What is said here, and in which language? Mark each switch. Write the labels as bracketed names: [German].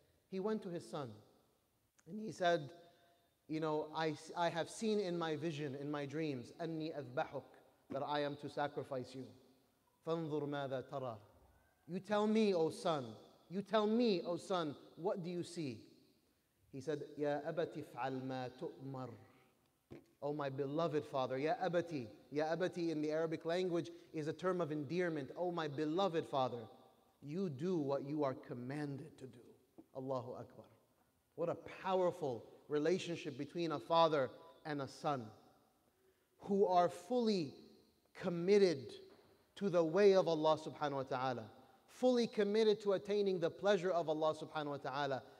[English] He went to his son and he said, you know, I have seen in my vision, in my dreams, [Arabic] أَنِّي أَذْبَحُكَ, [English] that I am to sacrifice you. [Arabic] فَانْظُرْ مَاذَا تَرَى. [English] You tell me, O son. You tell me, O son, what do you see? He said, [Arabic] يَا أَبَتِ فَعَلْ مَا تُؤْمَرْ. [English] Oh, my beloved father, ya abati. Ya abati in the Arabic language is a term of endearment. Oh, my beloved father, you do what you are commanded to do. Allahu Akbar. What a powerful relationship between a father and a son who are fully committed to the way of Allah subhanahu wa ta'ala, fully committed to attaining the pleasure of Allah subhanahu wa ta'ala.